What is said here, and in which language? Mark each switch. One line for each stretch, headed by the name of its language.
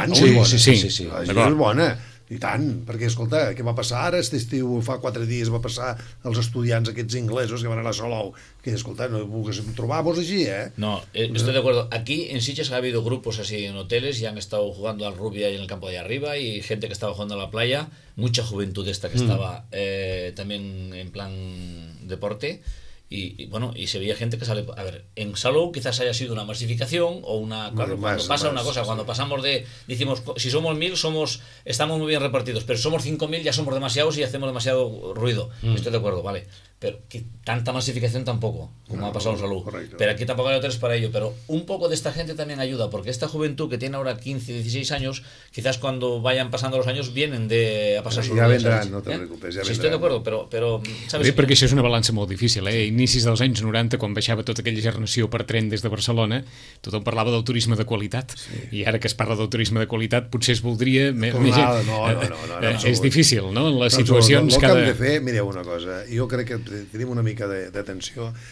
Catalan: Tant, sí, és bona, i tant, perquè escolta, què va passar ara? Este estiu, fa 4 dies, va passar els estudiants aquests inglesos que van anar a Salou. Que, escolta, no vulguis trobar-vos així, eh?
Spanish: No, estoy de acuerdo. Aquí, en Sitges, ha habido grupos así en hoteles y han estado jugando al rugby ahí en el campo de arriba y gente que estaba jugando a la playa, mucha juventud esta que estaba también en plan deporte y bueno, y se veía gente que sale... A ver, en Salou quizás haya sido una masificación o una... Cuando pasamos de... Decimos, si somos 1000, estamos muy bien repartidos, pero somos 5000, ya somos demasiados y hacemos demasiado ruido. Estoy de acuerdo, vale. Pero que tanta masificación tampoco, como ha pasado en Salou. Correcto. Pero aquí tampoco hay hoteles para ello. Pero un poco de esta gente también ayuda, porque esta juventud que tiene ahora 15, 16 años, quizás cuando vayan pasando los años vienen a pasar su vida. Ya vendrán, ¿sabes? No te preocupes, ya vendrán. Sí, estoy de acuerdo, pero
Catalan: ¿sabes? Sí, perquè això és una balança molt difícil, eh? Inicis dels anys 90, quan baixava tota aquella generació per tren des de Barcelona, tothom parlava del turisme de qualitat. Sí. I ara que es parla del turisme de qualitat, potser es voldria... No, és difícil, no? Les situacions cada... El que hem de fer, mireu una cosa, jo crec que tenim una mica d'atenció.